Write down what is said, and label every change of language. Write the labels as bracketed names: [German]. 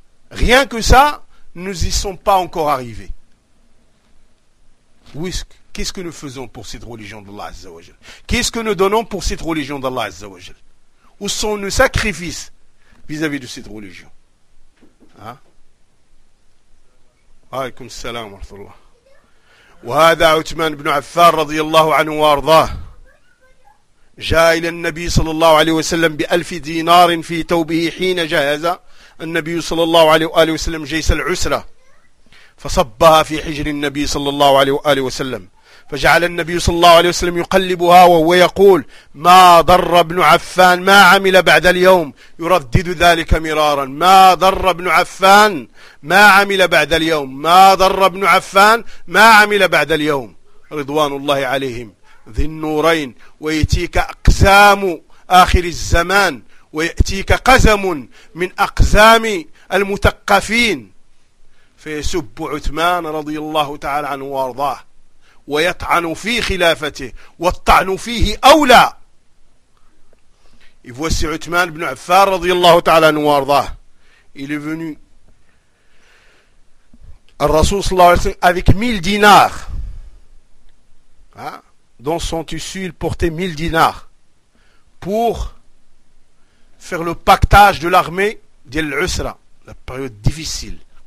[French] Rien que ça, nous n'y sommes pas encore arrivés. Où est-ce Qu'est-ce que nous faisons pour cette religion d'Allah Azzawajal? Qu'est-ce que nous donnons pour cette religion d'Allah Azzawajal? Où sont nos sacrifices vis-à-vis de cette religion? Hein? [Arabic] وعليكم السلام ورحمة الله. وهذا عثمان بن عفان رضي الله عنه وارضاه جاء إلى النبي صلى الله عليه وسلم بألف دينار في ثوبه حين جهز النبي صلى الله عليه وآله وسلم جيش العسرة فصبها في حجر النبي صلى الله عليه وآله وسلم فجعل النبي صلى الله عليه وسلم يقلبها وهو يقول ما ضر ابن عفان ما عمل بعد اليوم يردد ذلك مرارا ما ضر ابن عفان ما عمل بعد اليوم ما ضر ابن عفان ما عمل بعد اليوم رضوان الله عليهم ذي النورين ويأتيك أقزام آخر الزمان ويأتيك قزم من أقزام المثقفين فيسب عثمان رضي الله تعالى عنه وارضاه ويطعن في خلافته والطعن فيه أولى. [French] Et voici Uthman ibn Affan [Arabic] radiyallahu ta'ala anhu wa ardah. [French] Il est venu al Rasoul [Arabic] sallallahu alayhi wa sallam [French] avec 1000 dinars. Hein? Dans son tissu, il portait 1000 dinars pour faire le pactage de l'armée d'Al-Usra, la période difficile.